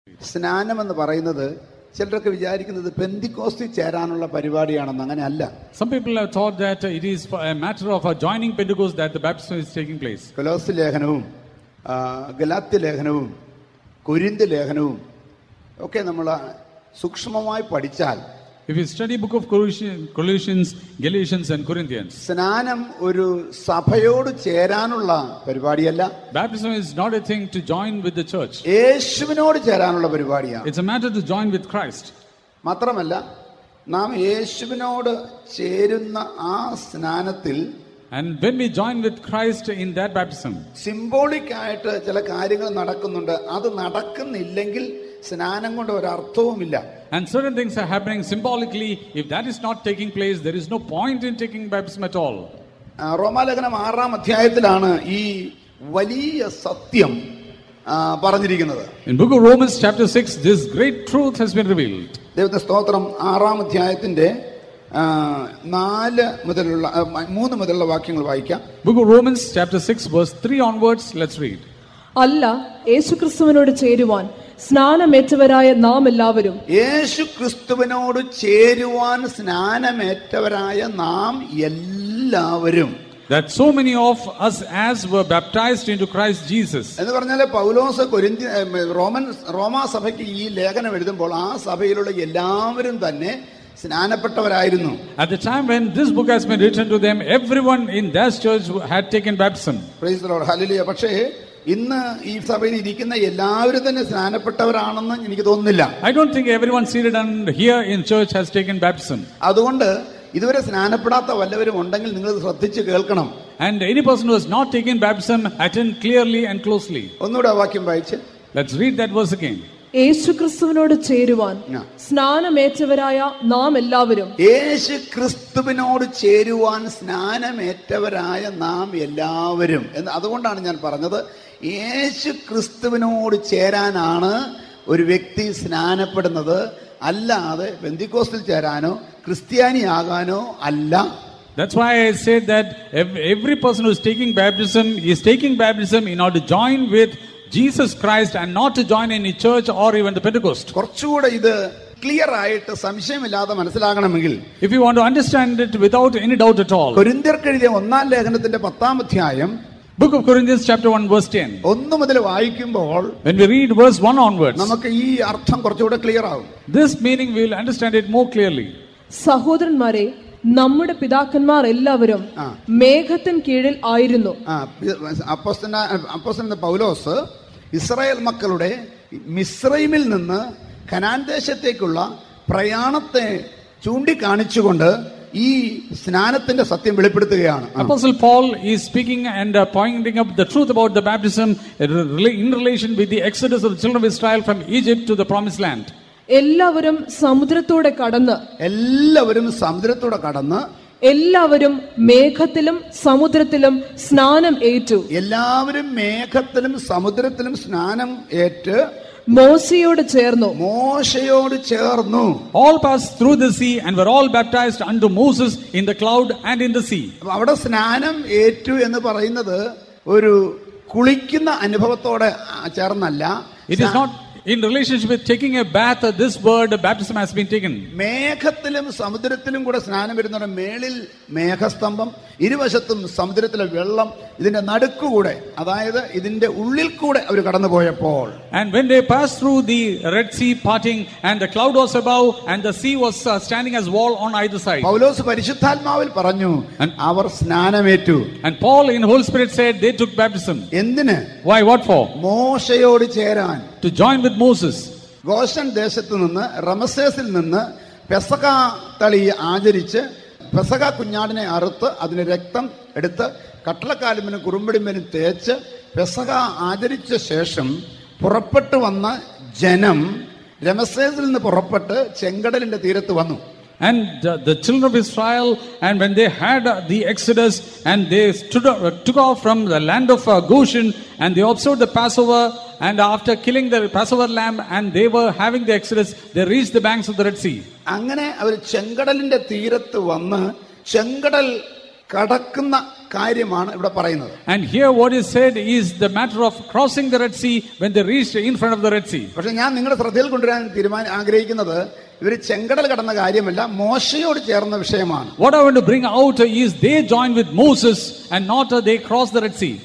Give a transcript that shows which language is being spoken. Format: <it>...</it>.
<ml>സ്നാനം എന്ന് പറയുന്നത് ചിലരൊക്കെ വിചാരിക്കുന്നത് പെന്തിക്കോസ്തി ചേരാനുള്ള പരിപാടിയാണെന്ന്, അങ്ങനെയല്ല.</ml> <en>Some people have thought that it is a matter of joining Pentecost that the baptism is taking place.</en> <ml>കൊലോസി ലേഖനവും ഗലാത്തി ലേഖനവും Corinth ലേഖനവും ഒക്കെ നമ്മൾ സൂക്ഷ്മമായി പഠിച്ചാൽ,</ml> <en>if you study book of Colossians, Galatians and Corinthians,</en> <ml>സ്നാനം ഒരു സഭയോട് ചേരാനുള്ള പരിപാടിയല്ല.</ml> <en>Baptism is not a thing to join with the church.</en> <ml>യേശുവിനോട് ചേരാനുള്ള പരിപാടിയാണ്.</ml> <en>It's a matter to join with Christ.</en> <ml>മാത്രമല്ല, നാം യേശുവിനോട് ചേരുന്ന ആ സ്നാനത്തിൽ,</ml> <en>and when we join with Christ in that baptism,</en> <ml>symbolic ആയിട്ട് ചില കാര്യങ്ങൾ നടക്കുന്നുണ്ട്. അത് നടക്കുന്നില്ലെങ്കിൽ സ്നാനം കൊണ്ട് ഒരു അർത്ഥവുമില്ല.</ml> <en>And certain things are happening symbolically. If that is not taking place, there is no point in taking baptism at all.</en> <ml>റോമാലേഖനം 6-ാം അധ്യായത്തിലാണ് ഈ വലിയ സത്യം പറഞ്ഞിരിക്കുന്നത്.</ml> <en>In book of Romans chapter 6, this great truth has been revealed.</en> <ml>ദൈവത്തിന്റെ സ്തോത്രം. 6-ാം അധ്യായത്തിന്റെ 3 മുതലുള്ള വാക്യങ്ങൾ വായിക്കാം.</ml> <en>Book of Romans chapter 6 verse 3 onwards, let's read.</en> <ml>അല്ല, യേശുക്രിസ്തുവിനോട് ചേരുവാൻ സ്നാനമേറ്റവരായ നാം എല്ലാവരും. യേശു ക്രിസ്തുവിനോട് ചേരുവാൻ സ്നാനമേറ്റവരായ നാം എല്ലാവരും.</ml> <en>That so many of us as were baptized into Christ Jesus.</en> <ml>എന്ന് പറഞ്ഞാൽ പൗലോസ് കൊരിന്ത്യ റോമൻ റോമാ സഭയ്ക്ക് ഈ ലേഖനം എഴുതുമ്പോൾ ആ സഭയിലുള്ള എല്ലാവരും തന്നെ സ്നാനപ്പെട്ടവരായിരുന്നു.</ml> <en>At the time when this book has been written to them, everyone in that church had taken baptism. Praise the Lord. Hallelujah.</en> <ml>പക്ഷേ ഇന്ന് ഈ സഭയിൽ ഇരിക്കുന്ന എല്ലാവരും തന്നെ സ്നാനപ്പെട്ടവരാണെന്ന് എനിക്ക് തോന്നുന്നില്ല.</ml> <en>I don't think everyone seated here in church has taken baptism.</en> <ml>അതുകൊണ്ട് ഇതുവരെ സ്നാനപ്പെടാത്ത വല്ലവരും ഉണ്ടെങ്കിൽ നിങ്ങൾ ശ്രദ്ധിച്ച് കേൾക്കണം.</ml> <en>And any person who has not taken baptism, attend clearly and closely.</en> <ml>ഒന്നുകൂടെ വാക്യം വായിച്ച്,</ml> <en>let's read that verse again.</en> <ml>യേശുക്രിസ്തുവിനോട് ചേരുവാൻ സ്നാനമേറ്റവരായ നാം എല്ലാവരും. യേശുക്രിസ്തുവിനോട് ചേരുവാൻ സ്നാനമേറ്റവരായ നാം എല്ലാവരും എന്ന്, അതുകൊണ്ടാണ് ഞാൻ പറഞ്ഞത്, യേശു ക്രിസ്തുവിനോട് ചേരാനാണ് ഒരു വ്യക്തി സ്നാനപ്പെടുന്നത്, അല്ലാതെ പെന്തിക്കോസ്റ്റിൽ ചേരാനോ ക്രിസ്ത്യാനിയാകാനോ അല്ല.</ml> <en>That's why I said that every person who is taking baptism is taking baptism in order to join with Jesus Christ and not to join any church or even the Pentecost.</en> <ml>കുറച്ചുകൂടെ ഇത് clear ആയിട്ട് സംശയമില്ലാതെ മനസ്സിലാക്കണമെങ്കിൽ,</ml> <en>if you want to understand it without any doubt at all,</en> <ml>കൊരിന്ത്യർക്കെഴുതിയ 1-ാം ലേഖനത്തിന്റെ 10-ാം അധ്യായം,</ml> <en>book of Corinthians chapter 1 verse 10,</en> <ml>1 മുതൽ വായിക്കുമ്പോൾ,</ml> <en>when we read verse 1 onwards,</en> <ml>നമുക്ക് ഈ അർത്ഥം കുറച്ചുകൂടെ ക്ലിയർ ആകും.</ml> <en>This meaning we will understand it more clearly.</en> <ml>സഹോദരന്മാരെ, നമ്മുടെ പിതാക്കന്മാർ എല്ലാവരും മേഘത്തിൻ കീഴിൽ ആയിരുന്നു. അപ്പോസ്തലൻ പൗലോസ് ഇസ്രായേൽ മക്കളുടെ മിസ്രയീമിൽ നിന്ന് കനാൻ ദേശത്തേക്കുള്ള പ്രയാണത്തെ ചൂണ്ടിക്കാണിച്ചുകൊണ്ട് ഈ സ്നാനത്തിന്റെ സത്യം വെളിപ്പെടുത്തുകയാണ്.</ml> <en>Apostle Paul is speaking and pointing up the truth about the baptism in relation with the exodus of the children of Israel from Egypt to the promised land.</en> <ml>എല്ലാവരും സമുദ്രത്തോടെ കടന്ന്, എല്ലാവരും സമുദ്രത്തോടെ കടന്ന്, എല്ലാവരും മേഘത്തിലും സമുദ്രത്തിലും സ്നാനം ഏറ്റു. എല്ലാവരും മേഘത്തിലും സമുദ്രത്തിലും സ്നാനം ഏറ്റു മോശയോട് ചേർന്നു, മോശയോട് ചേർന്നു.</ml> <en>All passed through the sea and were all baptized unto Moses in the cloud and in the sea.</en> <ml>അവിടെ സ്നാനം ഏറ്റു എന്ന് പറയുന്നത് ഒരു കുളിക്കുന്ന അനുഭവത്തോടെ ചേർന്നല്ല.</ml> <en>It is not in relationship with taking a bath, this word baptism has been taken.</en> <ml>മേഘത്തിലും സമുദ്രത്തിലും കൂടെ സ്നാനം വരുന്നതിന്റെ മേളിൽ മേഘസ്തംഭം, ഇരുവശത്തും സമുദ്രത്തിലെ വെള്ളം, ഇതിന്റെ നടുക്കൂടെ, അതായത് ഇതിന്റെ ഉള്ളിൽ കൂടെ അവർ കടന്നുപോയപ്പോൾ,</ml> <en>and when they passed through the Red Sea parting and the cloud was above and the sea was standing as wall on either side,</en> <ml>പൗലോസ് പരിശുദ്ധാത്മാവിൽ പറഞ്ഞു അവർ സ്നാനമേറ്റു.</ml> <en>And Paul in Holy Spirit said they took baptism.</en> <ml>എന്തിനെ?</ml> <en>Why, what for?</en> <ml>മോശയോട് ചേരാൻ.</ml> <en>To join with Moses.</en> <ml>ഗോശൻ ദേശത്തു നിന്ന്, റമസേസിൽ നിന്ന് പെസക തളി ആചരിച്ച് പെസക കുഞ്ഞാടിനെ അറുത്ത് അതിന് രക്തം എടുത്ത് കട്ടളക്കാലുമ്പനും കുറുമ്പടിമ്പനും തേച്ച് പെസക ആചരിച്ച ശേഷം പുറപ്പെട്ടു വന്ന ജനം റമസേസിൽ നിന്ന് പുറപ്പെട്ട് ചെങ്കടലിന്റെ തീരത്ത് വന്നു.</ml> <en>And the children of Israel, and when they had the exodus and they stood up, took off from the land of Goshen, and they observed the Passover, and after killing the Passover lamb and they were having the exodus, they reached the banks of the Red Sea.</en> <ml>Angane avaru chengadalinte theerathu vannu chengadal kadakkuna കാര്യമാണ് ഇവിടെ പറയുന്നത്.</ml> <en>And here what is said is the matter of crossing the Red Sea when they reached in front of the Red Sea.</en> <ml>പക്ഷേ ഞാൻ നിങ്ങളുടെ ശ്രദ്ധയിൽ കൊണ്ടുവരാൻ ആഗ്രഹിക്കുന്നത് ഇവർ ചെങ്കടൽ കടന്ന കാര്യമല്ല, മോശയോട് ചേർന്ന വിഷയമാണ്.</ml> <en>What I want to bring out is they joined with Moses and not they crossed the Red Sea.</en>